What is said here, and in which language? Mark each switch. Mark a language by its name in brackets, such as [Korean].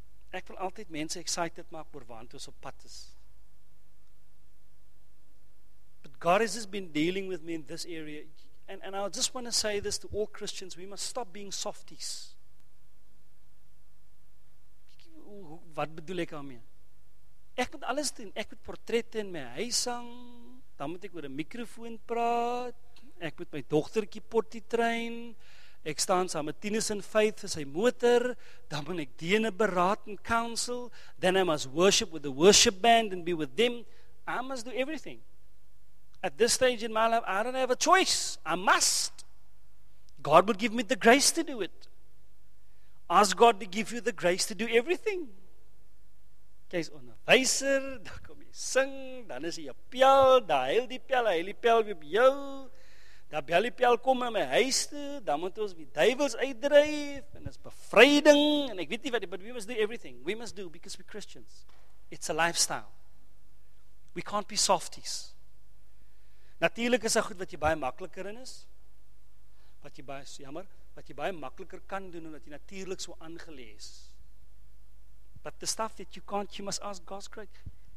[Afrikaans] Ek wil altyd mense excited maak oor waar ons op pad is. [English] But God has just been dealing with me in this area. And I just want to say this to all Christians, we must stop being softies. [Afrikaans] Wat bedoel ek daarmee? Ek moet alles doen. Ek moet portrette in my huis hang. Dan moet ek oor 'n mikrofoon praat. Ek moet my dogtertjie potty train. Ek staan saam met Tinus [English] in faith [Afrikaans] vir sy motor. Dan moet ek diene beraad en counsel. [English] Then I must worship with the worship band and be with them. I must do everything. At this stage in my life, I don't have a choice. I must. God will give me the grace to do it. Ask God to give you the grace to do everything. [Afrikaans] Jy's onderwyser, dan kom jy sing, dan is jy 'n pel, dan heil die pel, hy die pel op jou. Dan bel die pel kom in my huis toe, dan moet ons die duiwels uitdryf, en is bevryding, en ek weet nie wat, [English] but we must do everything. We must do, because we're Christians. It's a lifestyle. We can't be softies. [Afrikaans] Natuurlik is daar goed wat jy baie makliker in is. Wat jy baie, jammer, wat jy baie makliker kan doen omdat jy natuurlik so aangelê is. [English] But the stuff that you can't, you must ask God's grace.